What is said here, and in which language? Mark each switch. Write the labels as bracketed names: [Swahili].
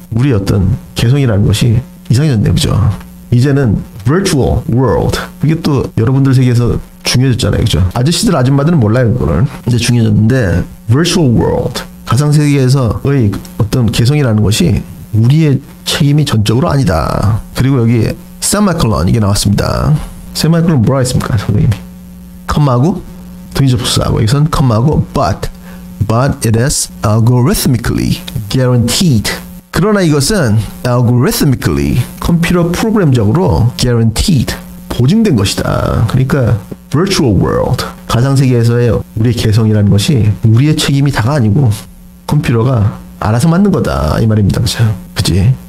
[Korean] 우리 어떤 개성이라는 것이 이상해졌네요, 그죠? 이제는 virtual world, 그게 또 여러분들 세계에서 중요해졌잖아요, 그죠? 아저씨들 아줌마들은 몰라요, 그걸. 이제 중요해졌는데 virtual world, 가상세계에서의 어떤 개성이라는 것이 우리의 책임이 전적으로 아니다. 그리고 여기 semicolon 이게 나왔습니다. semicolon 뭐라 했습니까, 선생님이? 컴마고 등접수사하고, 여기선 컴마고 [English] but it is algorithmically guaranteed. [Korean] 그러나 이것은 algorithmically, 컴퓨터 프로그램적으로 guaranteed, 보증된 것이다. 그러니까 virtual world, 가상세계에서의 우리의 개성이라는 것이 우리의 책임이 다가 아니고 컴퓨터가 알아서 만든 거다, 이 말입니다, 그죠? 그치?